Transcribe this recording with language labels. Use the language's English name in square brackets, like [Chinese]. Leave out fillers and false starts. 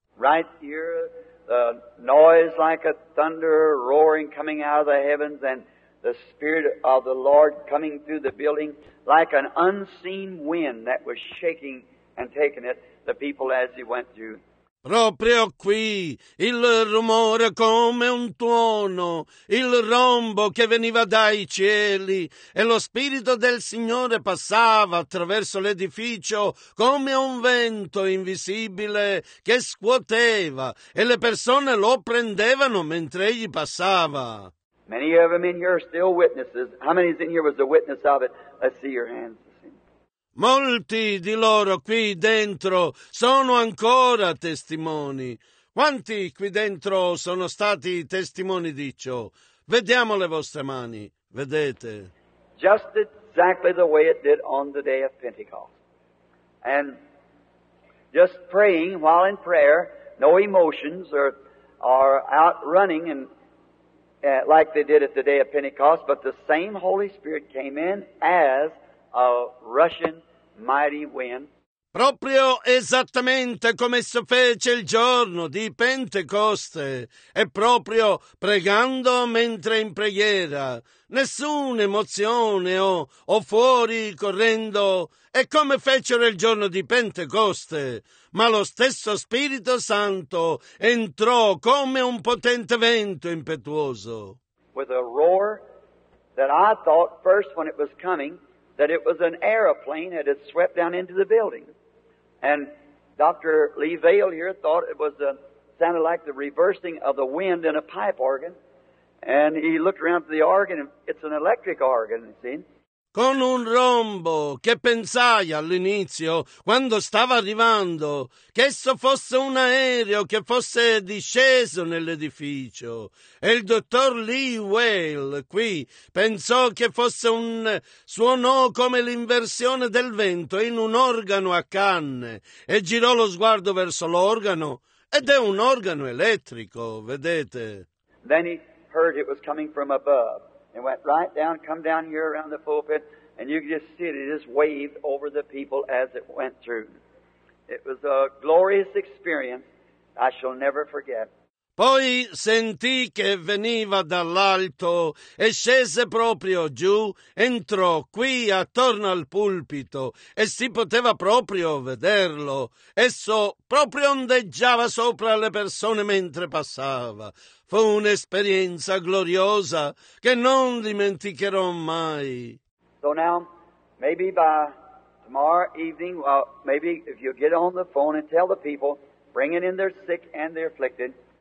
[English] Right here. The noise like a thunder roaring coming out of the heavens and the Spirit of the Lord coming through the building like an unseen wind that was shaking and taking it, the people as he went through. [Italian] Proprio qui, il rumore come un tuono, il rombo che veniva dai cieli, e lo Spirito del Signore passava attraverso l'edificio come un vento invisibile che scuoteva, e le persone lo prendevano mentre egli passava. [English] Many of them in here are still witnesses. How many in here was a witness of it? Let's see your hands. [Italian] Molti di loro qui dentro sono ancora testimoni. Quanti qui dentro sono stati testimoni di ciò? Vediamo le vostre mani, vedete. [English] Just exactly the way it did on the day of Pentecost. And just praying while in prayer, no emotions are out running and like they did at the day of Pentecost, but the same Holy Spirit came in as a Russian mighty wind. [Italian] proprio esattamente come si fece il giorno di Pentecoste, e proprio pregando mentre in preghiera, nessuna emozione o fuori correndo, e come fecero il giorno di Pentecoste, ma lo stesso Spirito Santo entrò come un potente vento impetuoso. [English] With a roar that I thought first when it was coming that it was an aeroplane that had swept down into the building. And Dr. Lee Vail here thought it was sounded like the reversing of the wind in a pipe organ. And he looked around to the organ, and it's an electric organ, you see. [Italian] Con un rombo che pensai all'inizio, quando stava arrivando, che esso fosse un aereo che fosse disceso nell'edificio. E il dottor Lee Whale, qui, pensò che fosse un suonò come l'inversione del vento in un organo a canne, e girò lo sguardo verso l'organo, ed è un organo elettrico, vedete. [English] Then he heard it was coming from above. And went right down, come down here around the pulpit, and you could just see it. It just waved over the people as it went through. It was a glorious experience I shall never forget. [Italian] Poi sentì che veniva dall'alto e scese proprio giù, entrò qui attorno al pulpito e si poteva proprio vederlo. Esso proprio ondeggiava sopra le persone mentre passava. Fu un'esperienza gloriosa che non dimenticherò mai. [English] So now, maybe by tomorrow evening, well, maybe if you get on the phone and tell the people, bring in their sick and their afflicted.